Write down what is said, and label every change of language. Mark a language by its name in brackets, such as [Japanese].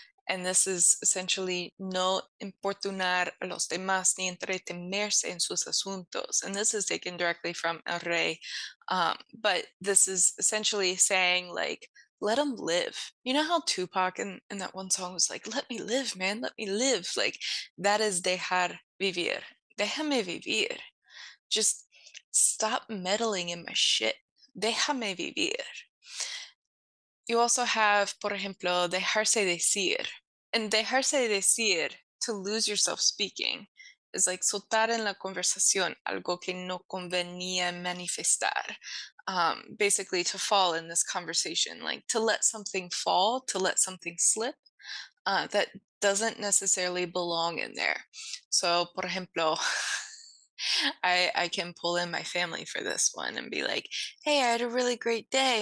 [English] And this is essentially [Spanish] no importunar a los demás ni entretenerse en sus asuntos. [English] And this is taken directly from El Rey. But this is essentially saying like, let them live. You know how Tupac in that one song was like, let me live, man, let me live. Like that is [Spanish] dejar vivir. Déjame vivir. [English] Just stop meddling in my shit. [Spanish] Déjame vivir. [English] You also have, [Spanish] por ejemplo, dejarse decir. And dejarse decir, [English] to lose yourself speaking, is like [Spanish] soltar en la conversación algo que no convenía manifestar. [English] Basically, to fall in this conversation, like to let something fall, to let something slip, that doesn't necessarily belong in there. So, [Spanish] por ejemplo, [English] I can pull in my family for this one and be like, hey, I had a really great day.